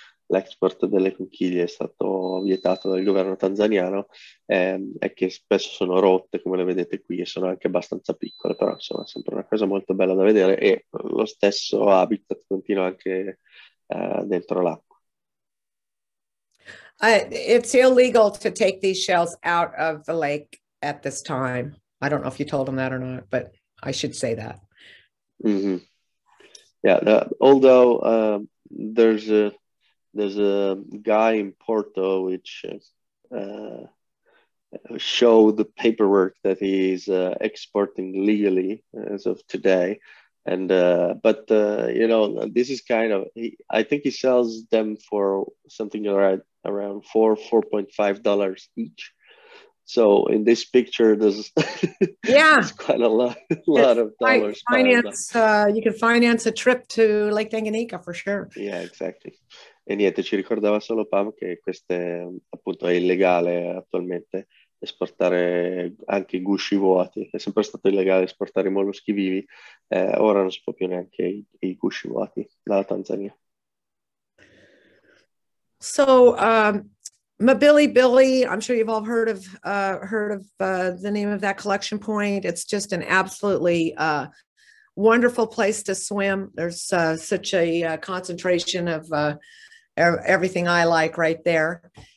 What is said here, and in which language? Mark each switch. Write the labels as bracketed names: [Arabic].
[Italian] l'export delle conchiglie è stato vietato dal governo tanzaniano e che spesso sono rotte, come le vedete qui, e sono anche abbastanza piccole, però insomma è sempre una cosa molto bella da vedere e lo stesso habitat continua anche dentro l'acqua. [English] It's illegal to take these shells out of the lake at this time. I don't know if you told them that or not, but I should say that. Mm-hmm. Yeah, although there's a guy in Porto which showed the paperwork that he's exporting legally as of today. And you know, this is kind of, I think he sells them for something like around $4-4.5 each. So in this picture, there's yeah, it's quite a lot of dollars. You can finance a trip to Lake Tanganyika for sure. Yeah, exactly. [Italian] E niente, ci ricordava solo Pam che questo appunto è illegale attualmente esportare anche gusci vuoti. È sempre stato illegale esportare i molluschi vivi. Ora non si può più neanche i gusci vuoti dalla Tanzania. [English] So, Mabili Billy, I'm sure you've all heard of the name of that collection point. It's just an absolutely wonderful place to swim. There's such a concentration of everything I like right there.